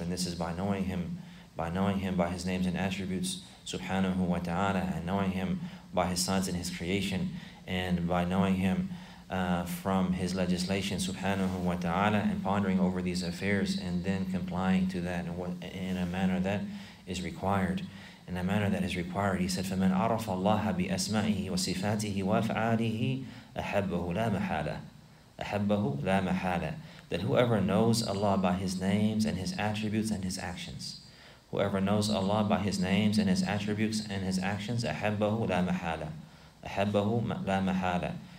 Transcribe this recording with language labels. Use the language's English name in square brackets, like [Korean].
[English] And this is by knowing him, by his names and attributes, Subhanahu wa ta'ala, and knowing him by his signs and his creation, and by knowing him from his legislation, Subhanahu wa ta'ala, and pondering over these affairs, and then complying to that in a manner that is required. In a manner that is required, he said, [Arabic] فَمَنْ عَرَفَ اللَّهَ بِأَسْمَائِهِ وَصِفَاتِهِ وَأَفْعَالِهِ أَحَبَّهُ لَا مَحَالَةً أَحَبَّهُ لَا مَحَالَةً. [English] That whoever knows Allah by his names and his attributes and his actions, whoever knows Allah by his names and his attributes and his actions, [Arabic] أَحَبَّهُ لَا مَحَالَةً أَحَبَّهُ لَا مَحَالَةً.